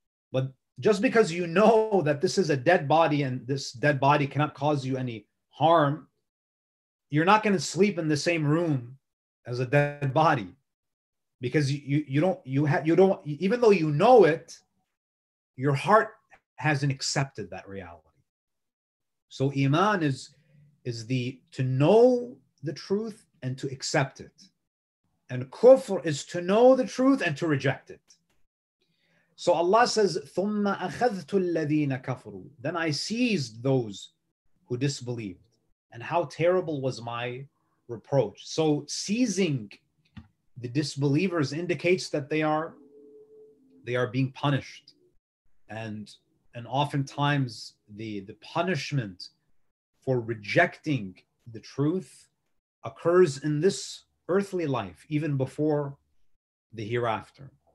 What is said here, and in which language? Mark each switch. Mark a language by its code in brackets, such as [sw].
[en] But just because you know that this is a dead body and this dead body cannot cause you any harm, you're not going to sleep in the same room as a dead body, because you don't, even though you know it, your heart hasn't accepted that reality. So iman is the to know the truth and to accept it. And kufr is to know the truth and to reject it. So Allah says, [ar] ثُمَّ أَخَذْتُ الَّذِينَ كَفَرُوا. [en] Then I seized those who disbelieved. And how terrible was my reproach. So seizing the disbelievers indicates that they are being punished. And oftentimes the punishment for rejecting the truth occurs in this earthly life, even before the hereafter.